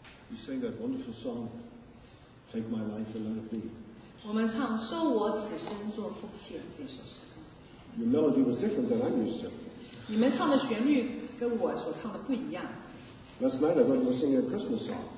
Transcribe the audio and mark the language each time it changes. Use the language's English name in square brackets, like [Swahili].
[English] You sang that wonderful song, Take My Life and Let It Be. [Chinese] 我们唱《收我此生做奉献》这首诗歌。 [English] Your melody was different than I'm used to. [Chinese] 你们唱的旋律跟我所唱的不一样。 [English] Last night I thought you were singing a Christmas song.